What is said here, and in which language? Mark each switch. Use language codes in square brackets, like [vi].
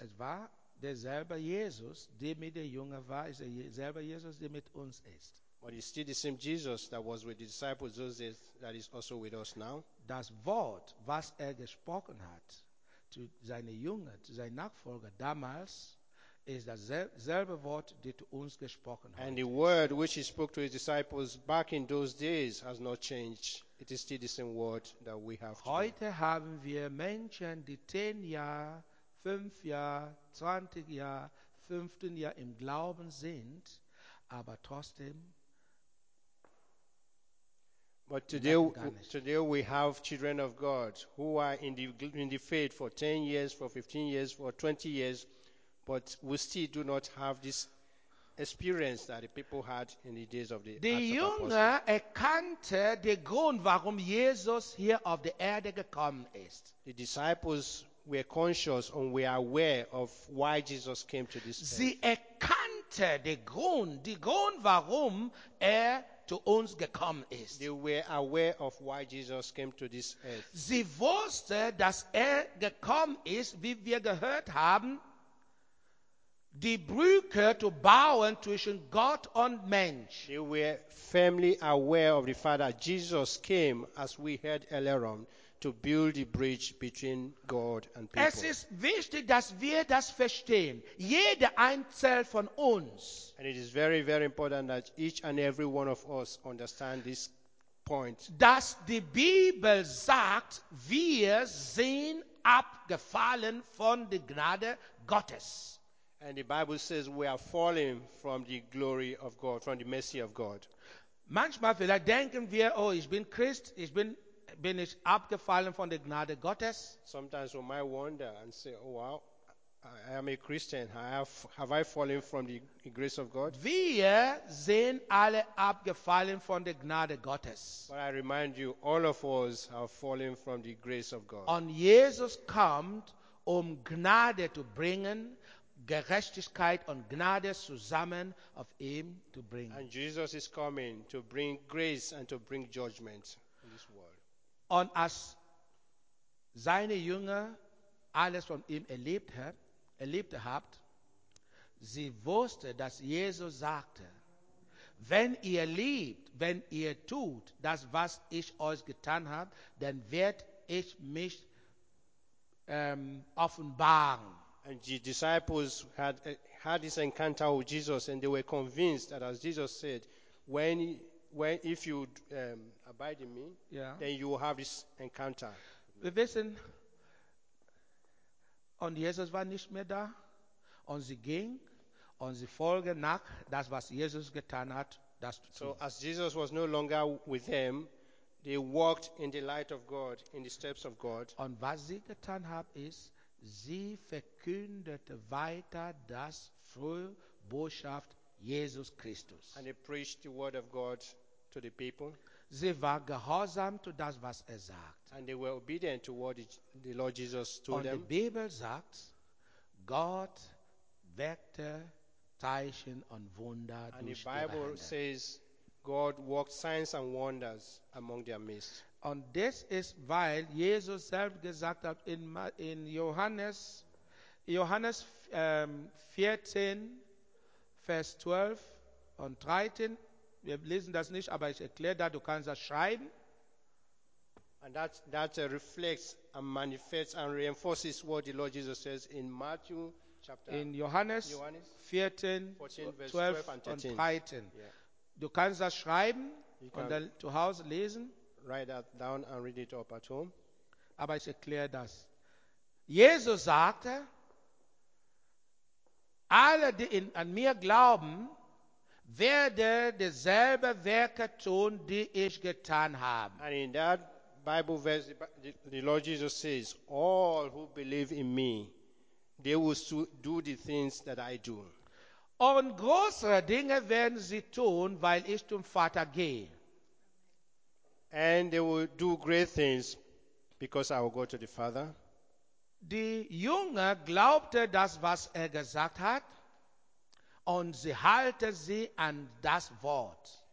[de] Es war derselbe Jesus, der mit der Jünger war, ist derselbe Jesus, der mit uns ist. [en] But it's still the same Jesus that was with the disciples, Jesus that is also with us now. [de] Das Wort, was er gesprochen hat zu seinen Jüngern, zu seinen Nachfolgern damals, ist das selbe Wort, das zu uns gesprochen hat. [en] And the word which he spoke to his disciples back in those days has not changed. It is still the same word that we have today. [de] Heute haben wir Menschen, die 10 Jahre, 5 Jahre, 20 Jahre, 15 Jahre im Glauben sind, aber trotzdem. [en] But today we have children of God who are in the faith for 10 years, for 15 years, for 20 years, but we still do not have this experience that the people had in the days of the Apostles. [de] Die Jünger erkannte den Grund, warum Jesus hier auf die Erde gekommen ist. [en] The disciples were conscious and were aware of why Jesus came to this earth. [de] Sie erkannte den Grund, warum er zu uns gekommen ist. [en] They were aware of why Jesus came to this earth. [de] Sie wusste, dass er gekommen ist, wie wir gehört haben, die Brücke zu bauen zwischen Gott und Mensch. [en] They were firmly aware of the fact that Jesus came, as we heard earlier on, to build the bridge between God and people. [de] Es ist wichtig, dass wir das verstehen. Jeder einzelne von uns. [en] And it is very, very important that each and every one of us understand this point. [de] Dass die Bibel sagt, wir sind abgefallen von der Gnade Gottes. [en] And the Bible says we are falling from the glory of God, from the mercy of God. [de] Manchmal vielleicht denken wir, oh, ich bin Christ, bin ich abgefallen von der Gnade Gottes? [en] Sometimes we might wonder and say, oh wow, I am a Christian. Have I fallen from the grace of God? [de] Wir sind alle abgefallen von der Gnade Gottes. [en] But I remind you, all of us have fallen from the grace of God. [de] Und Jesus kommt, Gnade zu bringen, Gerechtigkeit und Gnade zusammen auf ihm zu bringen. [en] And Jesus is coming to bring grace and to bring judgment in this world. [de] Und als seine Jünger alles von ihm erlebt haben, sie wussten, dass Jesus sagte, wenn ihr liebt, wenn ihr tut, das, was ich euch getan habe, dann werde ich mich offenbaren. [en] And the disciples had this encounter with Jesus, and they were convinced that, as Jesus said, when if you abide in me, yeah, then you will have this encounter. The vision on Jesus [de] war nicht mehr da, und sie ging, und sie folgte nach das, was Jesus getan hat. [en] So as Jesus was no longer with them, they walked in the light of God, in the steps of God. [de] Und was sie getan haben ist, sie verkündete weiter das frohe Botschaft Jesus Christus. [en] And they preached the word of God to the people. [de] Sie war gehorsam zu das, was sagt. [en] And they were obedient to what the Lord Jesus told [de] Und [en] them. [de] Die Bibel sagt, Gott wirkte Zeichen und Wunder [en] and [de] durch [en] the Bible [de] ihre [en] says God worked signs and wonders among their midst. [de] Und das ist, weil Jesus selbst gesagt hat in Johannes 14, Vers 12 und 13. Wir lesen das nicht, aber ich erkläre da, du kannst das schreiben. [en] And that reflects and manifests and reinforces what the Lord Jesus says in Matthew. [de] In Johannes 14, 12 und 13. [en] Yeah. [de] Du kannst das schreiben und dann zu Hause lesen. [en] Write that down and read it up at home. [de] Aber ich erkläre das. Jesus sagte, alle, die an mir glauben, werden dieselbe Werke tun, die ich getan habe. [en] And in that Bible verse, the Lord Jesus says, all who believe in me, they will do the things that I do. [de] Und größere Dinge werden sie tun, weil ich zum Vater gehe. [en] And they will do great things because I will go to the Father. [de] Die Jünger glaubten das, was gesagt hat, und sie halten sie an das Wort.